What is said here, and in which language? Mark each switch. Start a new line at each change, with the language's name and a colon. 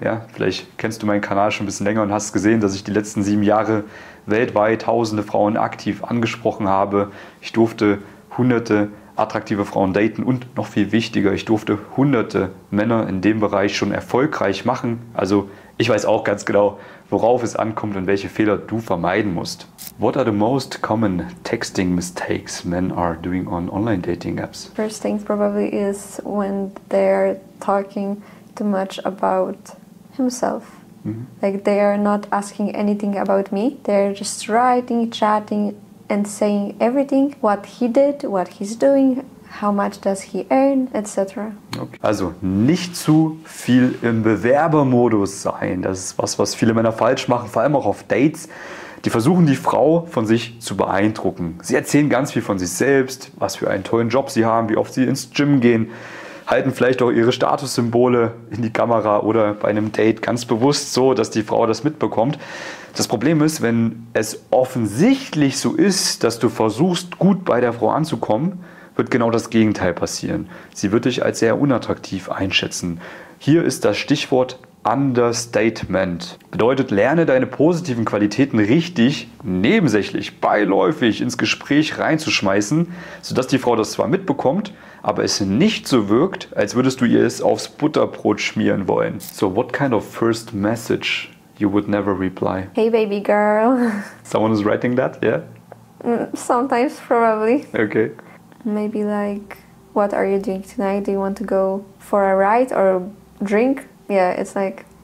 German: Ja, vielleicht kennst du meinen Kanal schon ein bisschen länger und hast gesehen, dass ich die letzten 7 Jahre weltweit tausende Frauen aktiv angesprochen habe. Ich durfte hunderte attraktive Frauen daten und noch viel wichtiger, ich durfte hunderte Männer in dem Bereich schon erfolgreich machen. Also ich weiß auch ganz genau, worauf es ankommt und welche Fehler du vermeiden musst.
English: What are the most common texting mistakes men are doing on online dating apps? First thing probably is when they're talking too much about himself. Mm-hmm. Like they are not asking anything about me. They're just writing, chatting and saying everything. What he did, what he's doing, how much does he earn, etc. Okay.
German: Also nicht zu viel im Bewerbermodus sein. Das ist was viele Männer falsch machen, vor allem auch auf Dates. Die versuchen, die Frau von sich zu beeindrucken. Sie erzählen ganz viel von sich selbst, was für einen tollen Job sie haben, wie oft sie ins Gym gehen, halten vielleicht auch ihre Statussymbole in die Kamera oder bei einem Date ganz bewusst so, dass die Frau das mitbekommt. Das Problem ist, wenn es offensichtlich so ist, dass du versuchst, gut bei der Frau anzukommen, wird genau das Gegenteil passieren. Sie wird dich als sehr unattraktiv einschätzen. Hier ist das Stichwort Understatement. Bedeutet, lerne deine positiven Qualitäten richtig, nebensächlich, beiläufig ins Gespräch reinzuschmeißen, sodass die Frau das zwar mitbekommt, aber es nicht so wirkt, als würdest du ihr es aufs Butterbrot schmieren wollen.
English: So, what kind of first message you would never reply? Hey, baby girl. Someone is writing that, yeah? Sometimes, probably. Okay. Maybe like, what are you doing tonight? Do you want to go for a ride or drink? Yeah, it's like...